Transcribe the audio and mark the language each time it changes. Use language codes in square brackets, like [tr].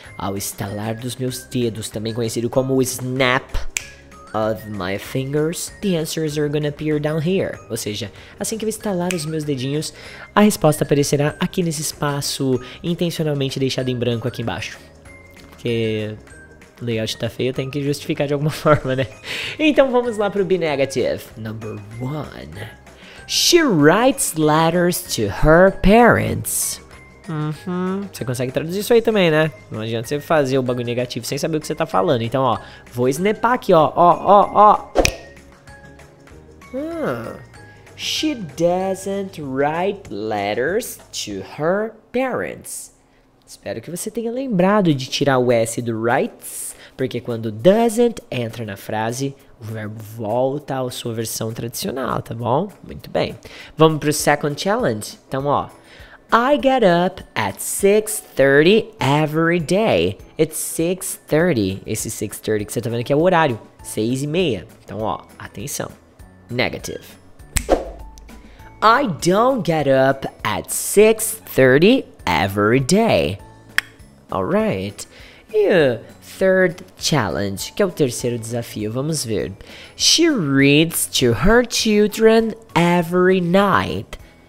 [pt] Ao estalar dos meus dedos, também conhecido como [en] snap of my fingers, the answers are gonna appear down here. [pt] Ou seja, assim que eu estalar os meus dedinhos, a resposta aparecerá aqui nesse espaço intencionalmente deixado em branco aqui embaixo. Porque o layout tá feio, tem que justificar de alguma forma, né? Então vamos lá pro B negative. [en] Number one. She writes letters to her parents. [pt] Você consegue traduzir isso aí também, né? Não adianta você fazer o bagulho negativo sem saber o que você tá falando. Então, ó, vou snapar aqui, ó. Ó. [en] She doesn't write letters to her parents. [pt] Espero que você tenha lembrado de tirar o S do writes, porque quando doesn't entra na frase, o verbo volta à sua versão tradicional, tá bom? Muito bem. Vamos pro [en] second challenge. [pt] Então, ó. [en] I get up at 6:30 every day. It's 6:30. [pt] Esse 6:30 que você tá vendo aqui é o horário. 6:30. Então, ó, atenção. Negative. [en] I don't get up at 6:30 every day. Alright. [pt] E o third challenge, que é o terceiro desafio, vamos ver. [en] She reads to her children every night.